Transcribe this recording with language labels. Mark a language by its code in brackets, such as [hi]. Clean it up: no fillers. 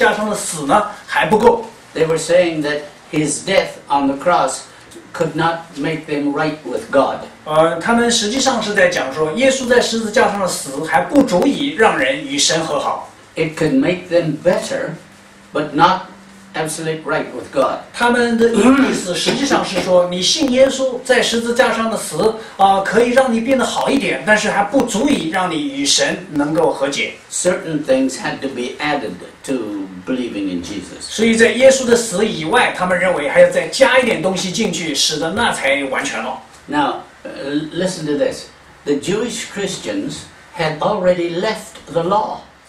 [zh] 他们凡是在推行割礼的这种事情的人，实际上他们在暗示一件事情，就是说耶稣在十字架上的死呢还不够。 [en] They were saying that His death on the cross could not make them right with God. [zh] 他们实际上是在讲说，耶稣在十字架上的死还不足以让人与神和好。 [en] It could make them better, but not absolute right with God. [zh] 他们的意思实际上是说，你信耶稣在十字架上的死，可以让你变得好一点，但是还不足以让你与神能够和解。 [en] Certain things had to be added to believing in Jesus. [zh] 所以在耶稣的死以外，他们认为还要再加一点东西进去，使得那才完全了。 [en] Now, listen to this. The Jewish Christians had already left the law.